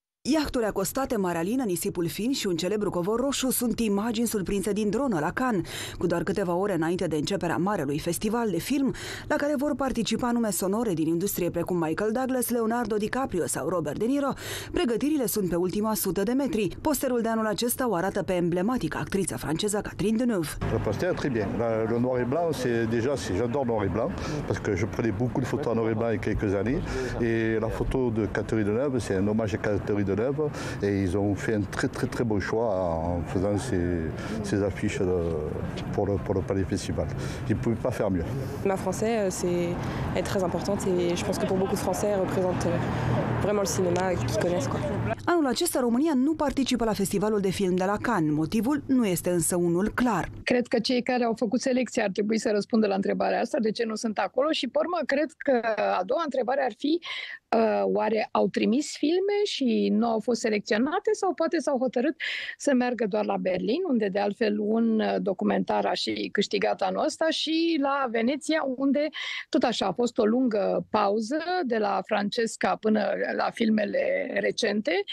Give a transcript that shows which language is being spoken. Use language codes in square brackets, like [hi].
[ro] Iahturi acostate, Marea Lină, nisipul fin și un celebru covor roșu sunt imagini surprinse din dronă la Cannes, cu doar câteva ore înainte de începerea marelui festival de film, la care vor participa nume sonore din industrie precum Michael Douglas, Leonardo DiCaprio sau Robert De Niro. Pregătirile sunt pe ultima sută de metri. Posterul de anul acesta o arată pe emblematica actriță franceză Catherine Deneuve. [fr] Le poster est très bien. Le noir et blanc, c'est déjà, j'adore noir et blanc parce que je prenais beaucoup de photos en noir et blanc il y a quelques années et la photo de Catherine Deneuve, c'est un hommage à Catherine Deneuve. de l'œuvre et ils ont fait un très très très beau choix en faisant ces affiches pour le Palais Festival. Ils ne pouvaient pas faire mieux. Ma française est très importante et je pense que pour beaucoup de Français, elle représente vraiment le cinéma qu'ils connaissent, quoi. [ro] Anul acesta, România nu participă la Festivalul de Film de la Cannes. Motivul nu este însă unul clar. Cred că cei care au făcut selecția ar trebui să răspundă la întrebarea asta, de ce nu sunt acolo. Și, pe urmă, cred că a doua întrebare ar fi, oare au trimis filme și nu au fost selecționate sau poate s-au hotărât să meargă doar la Berlin, unde de altfel un documentar a și câștigat anul ăsta, și la Veneția, unde tot așa a fost o lungă pauză de la Francesca până la filmele recente.